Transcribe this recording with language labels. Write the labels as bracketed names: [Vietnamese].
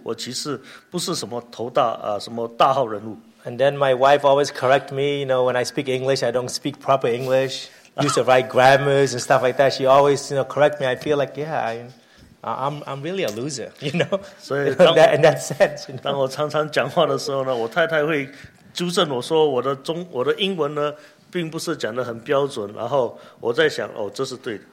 [Chinese] 所以当我在想我是怎样的一个人的时候，我会开始反复思想我当初刚到美国的这段时间，我是在穿女人的鞋子，穿女人的衣服，常常被人欺负，我其实不是什么头大什么大号人物。 [English] And then my wife always correct me, you know, when I speak English, I don't speak proper English. Use the right grammars and stuff like that. She always, you know, correct me. I feel like, yeah, I'm really a loser, you know. So in that sense, you know? [Chinese] 当我常常讲话的时候呢，我太太会纠正我说我的英文呢并不是讲得很标准。然后我在想，哦，这是对的。